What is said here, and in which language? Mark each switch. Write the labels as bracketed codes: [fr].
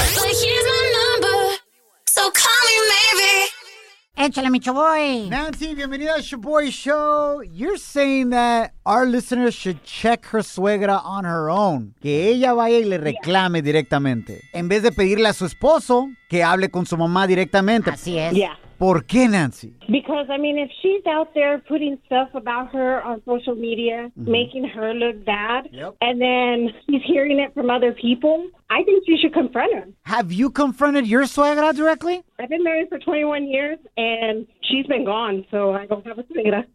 [en] But here's my number, so call me maybe. [es] Échale, mi Shaboy. Nancy, bienvenida a Shaboy Show. [en] You're saying that our listeners should check her suegra on her own. [es] Que ella vaya y le reclame directamente. En vez de pedirle a su esposo que hable con su mamá directamente. Así es. [en] Yeah. [es] ¿Por qué, Nancy? [en] Because, I mean, if she's out there putting stuff about her on social media, making her look bad, and then she's hearing it from other people, I think she should confront her. Have you confronted your suegra directly? I've been married for 21 years, and she's been gone, so I don't have a suegra.